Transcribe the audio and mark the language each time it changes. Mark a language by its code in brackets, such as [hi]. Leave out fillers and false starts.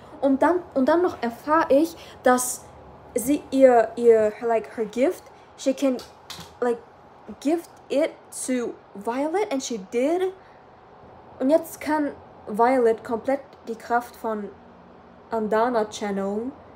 [de] Und dann noch erfahre ich, dass sie ihr [en] like her gift. She can like gift it to Violet and she did. [de] Und jetzt kann Violet komplett die Kraft von Andana channeln.